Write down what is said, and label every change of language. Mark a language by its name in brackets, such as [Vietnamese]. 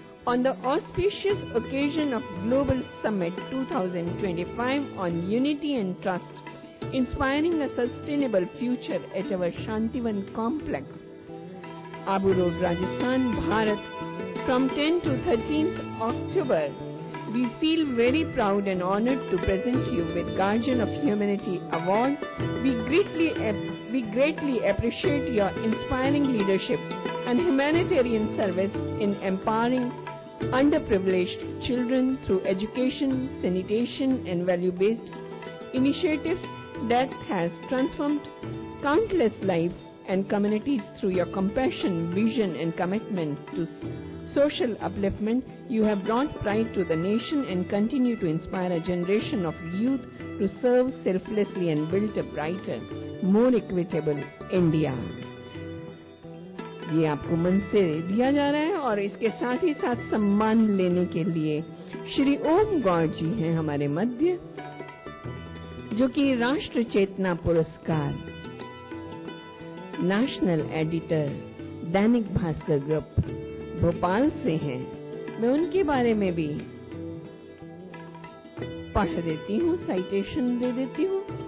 [English] On the auspicious occasion of Global Summit 2025 on Unity and Trust, inspiring a sustainable future at our Shantivan complex, Abu Road, Rajasthan, Bharat, from 10 to 13th October, we feel very proud and honored to present you with Guardian of Humanity Award. We greatly appreciate your inspiring leadership and humanitarian service in empowering underprivileged children through education, sanitation and value-based initiatives that has transformed countless lives and communities through your compassion, vision and commitment to social upliftment. You have brought pride to the nation and continue to inspire a generation of youth to serve selflessly and build a brighter, more equitable India. [Hindi] ये आपको मन से दिया जा रहा है और इसके साथ ही साथ सम्मान लेने के लिए श्री ओम गौर जी हैं हमारे मध्य जो कि राष्ट्र चेतना पुरस्कार national editor Dainik Bhaskar group Bhopal से हैं मैं उनके बारे में भी पढ़ देती हूँ साइटेशन दे देती हूँ